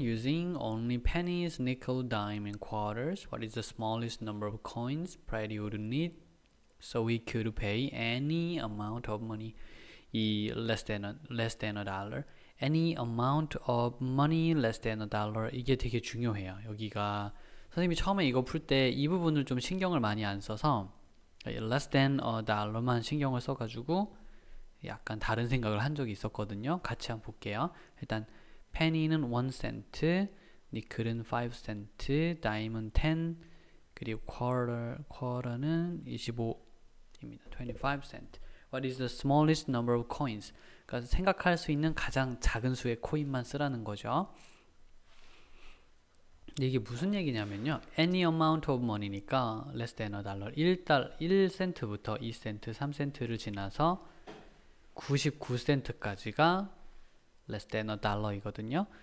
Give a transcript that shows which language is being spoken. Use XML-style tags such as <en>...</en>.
<en>Using only pennies, nickel, dime, and quarters, what is the smallest number of coins Brad would need so he could pay any amount of money less than a dollar? Any amount of money less than a dollar.</en> <ko>이게 되게 중요해요. 여기가 선생님이 처음에 이거 풀 때 이 부분을 좀 신경을 많이 안 써서</ko> <en>less than a dollar</en> <ko>만 신경을 써가지고 약간 다른 생각을 한 적이 있었거든요. 같이 한번 볼게요. 일단 penny는 1 센트, 니클은 5 센트, 다임은 10, 그리고 quarter는 25입니다. 25 센트.</ko> <en>What is the smallest number of coins?</en> <ko>그러니까 생각할 수 있는 가장 작은 수의 코인만 쓰라는 거죠. 이게 무슨 얘기냐면요.</ko> <en>any amount of money</en> <ko>니까</ko> <en>less than a dollar.</en> <ko>1센트부터 2센트, 3센트를 지나서 99센트까지가</ko> <en>less than a dollar</en> <ko>이거든요.</ko>